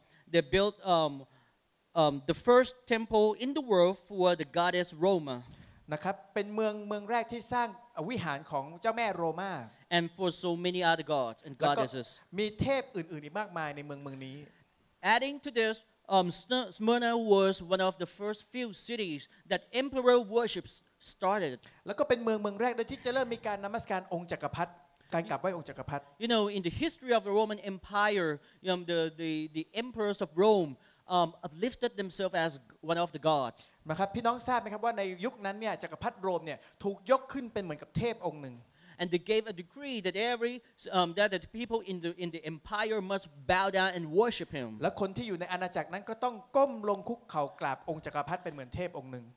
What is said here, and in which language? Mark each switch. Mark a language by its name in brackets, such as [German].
[English] they built the first temple in the world for the goddess Roma [Thai] นะครับเป็นเมืองแรกที่สร้างวิหารของเจ้าแม่โรม่า [English] and for so many other gods and goddesses [Thai] มีเทพอื่นๆอีกมากมายในเมืองนี้ [English] adding to thisSmyrna was one of the first few cities that emperor worships started. [Thai] แล้วก็เป็นเมืองแรกที่จะเริ่มมีการนมัสการองค์จักรพรรดิการกราบไหว้องค์จักรพรรดิ [English] You know, in the history of the Roman Empire, the emperors of Rome uplifted themselves as one of the gods. [Thai] นะครับพี่น้องทราบไหมครับว่าในยุคนั้นเนี่ยจักรพรรดิโรมเนี่ยถูกยกขึ้นเป็นเหมือนกับเทพองค์หนึ่ง [English] And they gave a decree that that the people in the empire must bow down and worship him. [Thai] และคนที่อยู่ในอาณาจักรนั้นก็ต้องก้มลงคุกเข่ากราบองค์จักรพรรดิเป็นเหมือนเทพองค์หนึ่ง